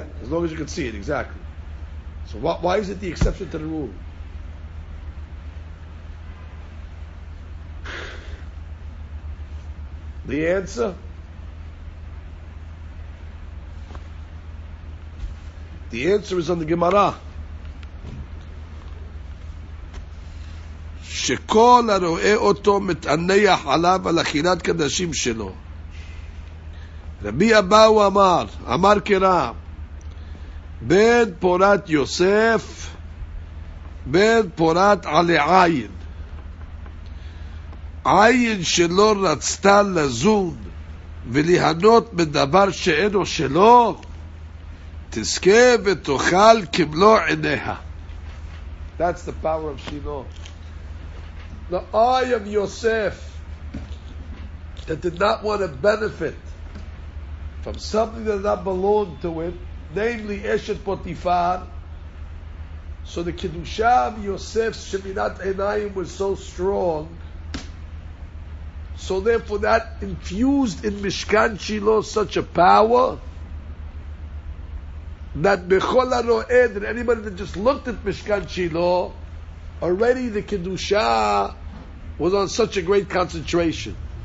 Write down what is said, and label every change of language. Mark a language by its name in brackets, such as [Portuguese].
[English] Yeah, as long as you can see it, exactly. So why is it the exception to the rule? The answer? The answer is on the Gemara. [Hebrew] שכל הרואה אותו מתענח עליו על אכילת קדשים שלו. רבי אבאו אמר קרא, בין פורת יוסף, בין פורת עלי עין. עין שלא רצתה לזון וליהנות בדבר שאינו שלו, תזכה ותאכל כמלוא עיניה. [English] That's the power of Shiloh. The eye of Yosef that did not want to benefit from something that did not belong to it, namely Eshet Potiphar. So the Kiddushah of Yosef's Sheminat Enayim was so strong, so therefore that infused in Mishkan Shiloh such a power that Bechol HaRoeh, that anybody that just looked at Mishkan Shiloh, already the Kiddushah was on such a great concentration.